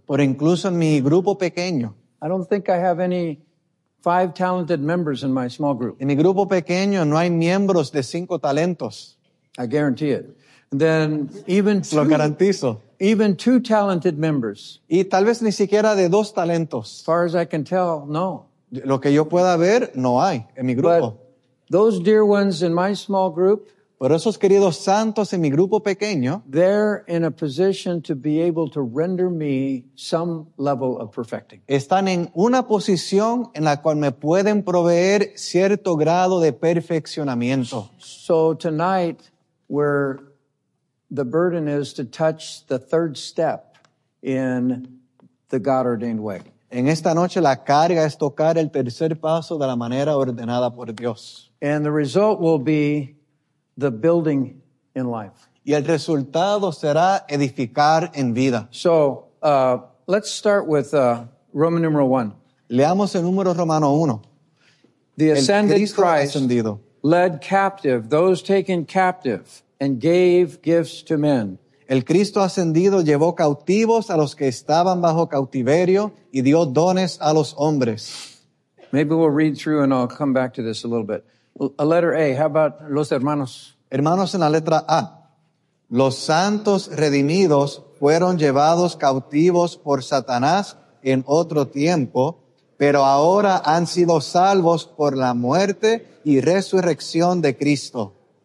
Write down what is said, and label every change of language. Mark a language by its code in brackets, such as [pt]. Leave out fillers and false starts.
[es] Por incluso en mi grupo pequeño. [en] I don't think I have any 5 talented members in my small group. [es] En mi grupo pequeño no hay miembros de 5 talentos. [en] I guarantee it. And then even [es] lo garantizo. [en] Even 2 talented members. [es] Y tal vez ni siquiera de 2 talentos. [en] As far as I can tell, no. [es] Lo que yo pueda ver, no hay en mi grupo. [en] But those dear ones in my small group, [es] por esos queridos santos en mi grupo pequeño, [en] they're in a position to be able to render me some level of perfecting. [es] Están en una posición en la cual me pueden proveer cierto grado de perfeccionamiento. [en] So tonight, where the burden is to touch the 3rd step in the God-ordained way. [es] En esta noche la carga es tocar el tercer paso de la manera ordenada por Dios. [en] And the result will be the building in life. [es] Y el resultado será edificar en vida. [en] So, let's start with Roman numeral 1. [es] Leamos el número romano 1. [en] The ascended Christ [es] ascendido. [en] led captive those taken captive and gave gifts to men. [es] El Cristo ascendido llevó cautivos a los que estaban bajo cautiverio y dio dones a los hombres. [en] Maybe we'll read through and I'll come back to this a little bit. A letter A, how about [es] los hermanos? Hermanos en la letra A. Los santos redimidos fueron llevados cautivos por Satanás en otro tiempo, pero ahora han sido salvos por la muerte y resurrección de Cristo.